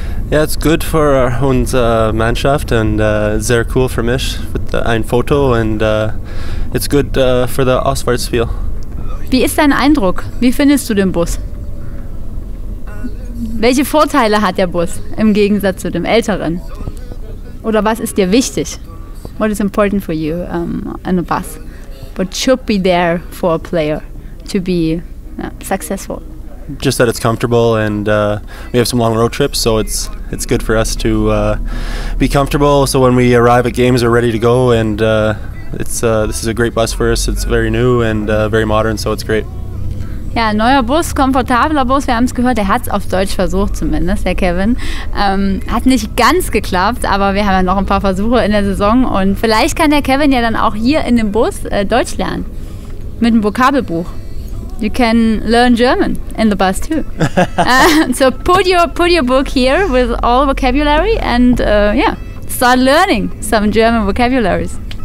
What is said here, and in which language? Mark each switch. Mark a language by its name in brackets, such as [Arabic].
[German] Ja, es ist gut für unsere Mannschaft und sehr cool für mich mit einem Foto und es ist gut für das Auswärtsspiel. Wie ist dein Eindruck? Wie findest du den Bus? Welche Vorteile hat der Bus im Gegensatz zu dem älteren? Oder was ist dir wichtig? [English] What is important for you on a bus? What should be there for a player to be successful? Just that it's comfortable and we have some long road trips, so it's good for us to be comfortable. So when we arrive at games, we're ready to go and this is a great bus for us. It's very new and very modern, so it's great. [German] Ja, neuer Bus, komfortabler Bus, wir haben es gehört, er hat es auf Deutsch versucht zumindest, der Kevin. Hat nicht ganz geklappt, aber wir haben ja noch ein paar Versuche in der Saison und vielleicht kann der Kevin ja dann auch hier in dem Bus Deutsch lernen. Mit dem Vokabelbuch. [English] You can learn German in the bus too. So put your book here with all vocabulary and start learning some German vocabularies.